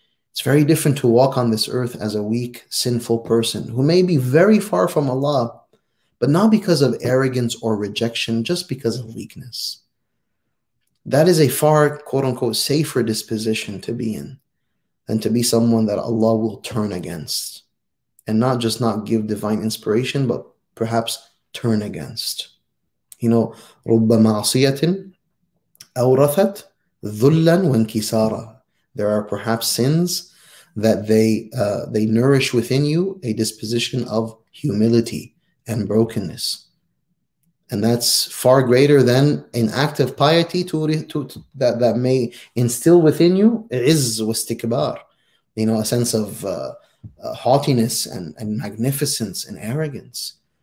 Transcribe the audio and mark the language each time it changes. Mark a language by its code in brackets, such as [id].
[en] It's very different to walk on this earth as a weak, sinful person who may be very far from Allah, but not because of arrogance or rejection, just because of weakness. That is a far, quote-unquote, safer disposition to be in than to be someone that Allah will turn against and not just not give divine inspiration, but perhaps turn against. You know, [ar] رُبَّ مَعْصِيَةٍ أَوْرَثَتْ ذُلًّا وَانْكِسَارًا. [en] There are perhaps sins that they nourish within you a disposition of humility and brokenness. And that's far greater than an act of piety that may instill within you izz wa istikbar, you know, a sense of haughtiness and magnificence and arrogance.